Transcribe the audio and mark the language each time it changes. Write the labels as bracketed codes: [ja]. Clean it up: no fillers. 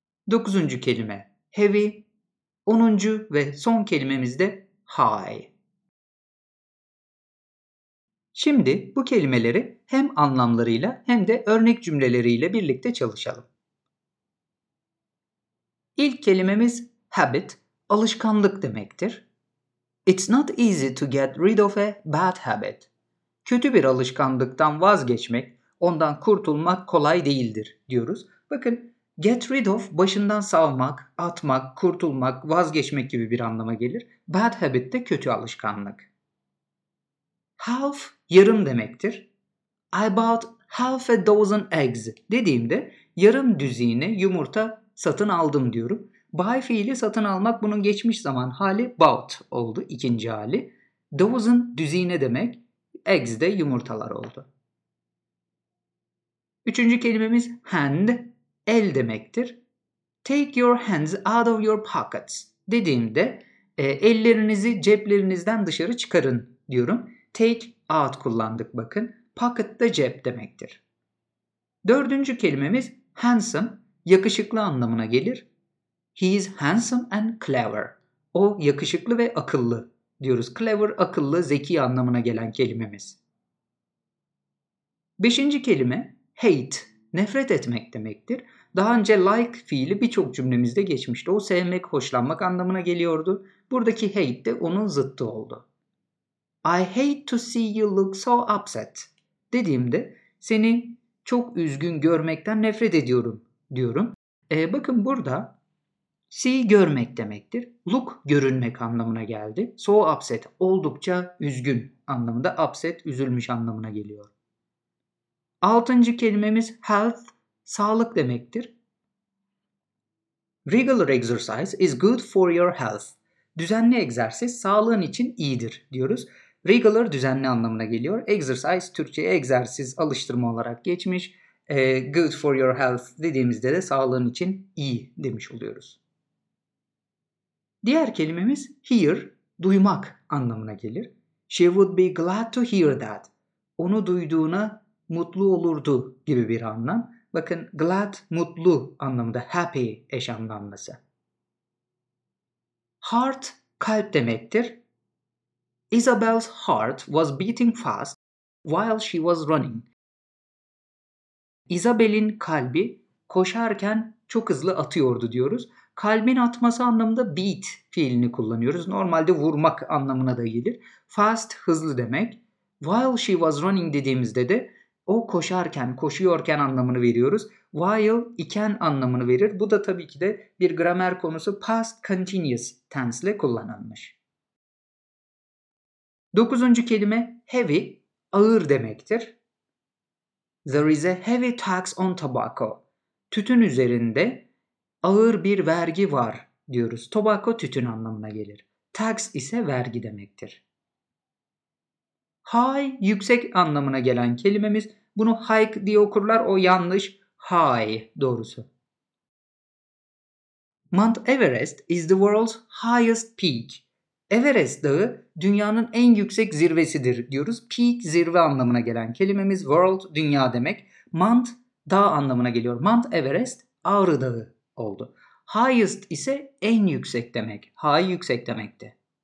[tr] Dokuzuncu kelime heavy. Onuncu ve son kelimemiz de high. Şimdi bu kelimeleri hem anlamlarıyla hem de örnek cümleleriyle birlikte çalışalım. İlk kelimemiz habit, alışkanlık demektir. [en] It's not easy to get rid of a bad habit. [tr] Kötü bir alışkanlıktan vazgeçmek, ondan kurtulmak kolay değildir diyoruz. Bakın, get rid of başından savmak, atmak, kurtulmak, vazgeçmek gibi bir anlama gelir. Bad habit de kötü alışkanlık. Half, yarım demektir. [en] I bought half a dozen eggs [tr] dediğimde yarım düzine yumurta satın aldım diyorum. Buy fiili satın almak, bunun geçmiş zaman hali bought oldu, ikinci hali. Dozen düzine demek, eggs de yumurtalar oldu. Üçüncü kelimemiz hand, el demektir. [en] Take your hands out of your pockets [tr] dediğimde ellerinizi ceplerinizden dışarı çıkarın diyorum. Take out kullandık bakın. Pocket da cep demektir. Dördüncü kelimemiz handsome, yakışıklı anlamına gelir. [en] He is handsome and clever. [tr] O yakışıklı ve akıllı diyoruz. Clever, akıllı, zeki anlamına gelen kelimemiz. Beşinci kelime hate, nefret etmek demektir. Daha önce like fiili birçok cümlemizde geçmişti. O sevmek, hoşlanmak anlamına geliyordu. Buradaki hate de onun zıttı oldu. [en] I hate to see you look so upset [tr] dediğimde seni çok üzgün görmekten nefret ediyorum diyorum. Bakın burada see görmek demektir. Look görünmek anlamına geldi. So upset oldukça üzgün anlamında, upset üzülmüş anlamına geliyor. Altıncı kelimemiz health, sağlık demektir. [en] Regular exercise is good for your health. [tr] Düzenli egzersiz sağlığın için iyidir diyoruz. Regular düzenli anlamına geliyor. Exercise Türkçe'ye egzersiz, alıştırma olarak geçmiş. [en] Good for your health [tr] dediğimizde de sağlığın için iyi demiş oluyoruz. Diğer kelimemiz hear, duymak anlamına gelir. [en] She would be glad to hear that. [tr] Onu duyduğuna mutlu olurdu gibi bir anlam. Bakın glad, mutlu anlamında, happy eş anlamlısı. Heart, kalp demektir. [en] Isabel's heart was beating fast while she was running. [tr] Isabel'in kalbi koşarken çok hızlı atıyordu diyoruz. Kalbin atması anlamında beat fiilini kullanıyoruz. Normalde vurmak anlamına da gelir. Fast, hızlı demek. [en] While she was running [tr] dediğimizde de o koşarken, koşuyorken anlamını veriyoruz. While, iken anlamını verir. Bu da tabii ki de bir gramer konusu, past continuous tense ile kullanılmış. Dokuzuncu kelime heavy, ağır demektir. [en] There is a heavy tax on tobacco. [tr] Tütün üzerinde ağır bir vergi var diyoruz. Tobacco tütün anlamına gelir. Tax ise vergi demektir. High, yüksek anlamına gelen kelimemiz. Bunu hike diye okurlar, o yanlış. High doğrusu. [en] Mount Everest is the world's highest peak. [tr] Everest Dağı dünyanın en yüksek zirvesidir diyoruz. Peak, zirve anlamına gelen kelimemiz. World, dünya demek. Mount, dağ anlamına geliyor. Mount Everest, Ağrı Dağı oldu. Highest ise en yüksek demek. High, yüksek demekti.